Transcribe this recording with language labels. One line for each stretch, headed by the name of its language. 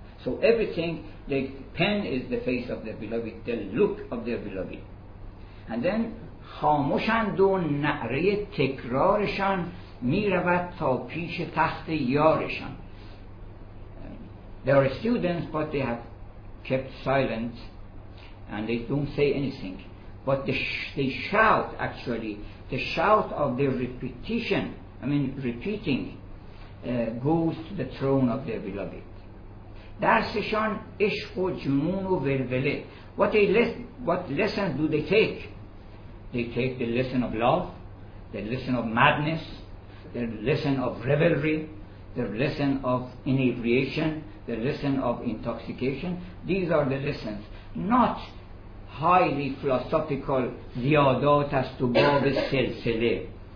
English: So everything, the pen is the face of their beloved, the look of their beloved. And then,
Persian: خاموشندون نعره تکرارشان میرود تا پیش تخت یارشان.
English: They are students, but they have kept silent and they don't say anything. But they shout, actually, the shout of their repetition, repeating, goes to the throne of their beloved.
Persian: درسشان عشق و جنون و ولوله.
English: What lessons do they take? They take the lesson of love, the lesson of madness, the lesson of revelry, the lesson of inebriation, the lesson of intoxication. These are the lessons. Not highly philosophical ziyadat as to bab silsile.